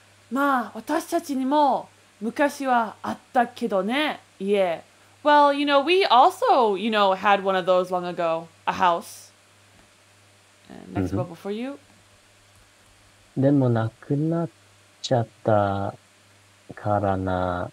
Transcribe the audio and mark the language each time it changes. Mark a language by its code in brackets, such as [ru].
[ja] まあ、私たちにも昔はあったけどね。 [en] Yeah. Well, you know, we also, you know, had one of those long ago, a house. And next bubble for you. [ja] でもなくなっちゃったからな。